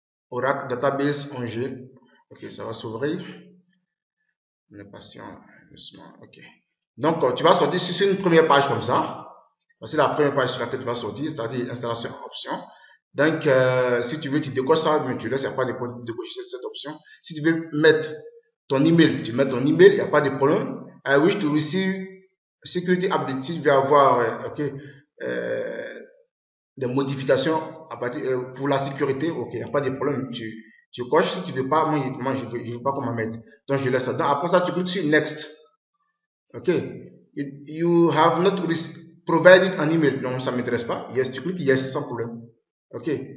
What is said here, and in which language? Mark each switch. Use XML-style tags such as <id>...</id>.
<fr>Oracle Database 11G. OK. Ça va s'ouvrir. On est patient. Justement. OK. Donc tu vas sortir sur une première page comme ça. Voici la première page sur laquelle tu vas sortir, c'est-à-dire installation option. Donc, si tu veux, tu décoches ça, mais tu laisses, il n'y a pas de problème de décocher cette option. Si tu veux mettre ton email, tu mets ton email, il n'y a pas de problème.</fr> <en>I wish to receive security update.</en> <fr>Si tu veux avoir des modifications à partir, pour la sécurité, ok, il n'y a pas de problème. Tu coches. Si tu veux pas, moi je veux pas qu'on m'en mette. Donc, je laisse ça. Donc, après ça, tu cliques sur next. Ok.</fr> <en>You have not received. Provided</en> <fr>un email, non, ça m'intéresse pas. Yes, tu cliques yes sans problème. Ok.</fr>